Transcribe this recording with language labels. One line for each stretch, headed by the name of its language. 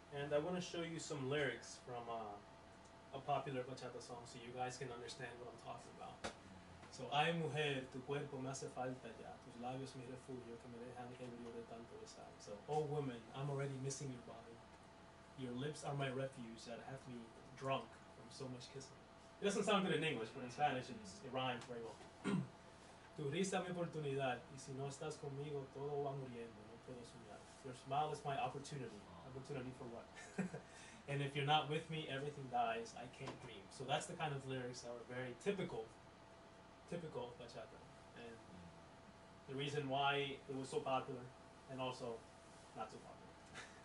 English: I want to show you some lyrics from a popular bachata song so you guys can understand what I'm talking about.
Spanish: So, ay mujer, tu cuerpo me hace falta ya, tus labios me refugio que me dejan ebrio de tanto besar.
English: So, oh woman, I'm already missing your body. Your lips are my refuge that have me drunk from so much kissing. It doesn't sound good in English, but in Spanish it rhymes very well.
Spanish: Tu risa mi oportunidad, y si no estás conmigo, todo va muriendo, no puedo soñar.
English: Your smile is my opportunity. Opportunity for what? And if you're not with me, everything dies. I can't dream. So that's the kind of lyrics that are very typical of bachata. And the reason why it was so popular and also not so popular.